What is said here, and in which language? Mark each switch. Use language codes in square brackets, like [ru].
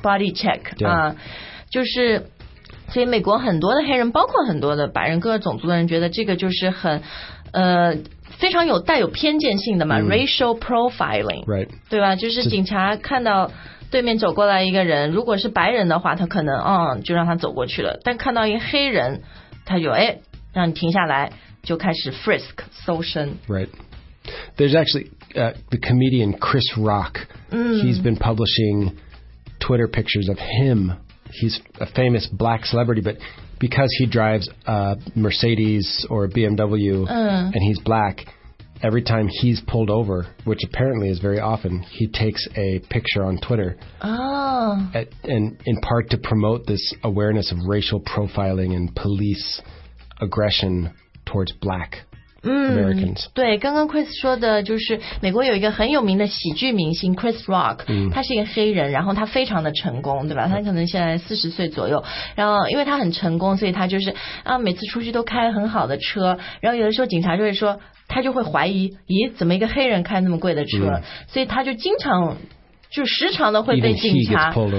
[zh] body check、就是所以美国很多的黑人包括很多的白人各个种族的人觉得这个就是很非常有带有偏见性的嘛、racial profiling、对吧，就是警察看到对面走过来一个人，如果是白人的话他可能就让他走过去了，但看到一个黑人他就让你停下来，就开始 frisk 搜身。 [en] Right. There's actually the comedian Chris Rock、he's been publishing Twitter pictures of him. He's a famous black celebrity, butBecause he drives a Mercedes or a BMW、and he's black, every time he's pulled over, which apparently is very often, he takes a picture on Twitter. And in part to promote this awareness of racial profiling and police aggression towards black. Americans. [zh] 对，刚刚 Chris 说的就是美国有一个很有名的喜剧明星 Chris Rock、他是一个黑人，然后他非常的成功，对吧？他可能现在40岁左右，然后因为他很成功，所以他就是每次出去都开很好的车，然后有的时候警察就会说，他就会怀疑，咦，怎么一个黑人开那么贵的车、所以他就经常就时常的会被警察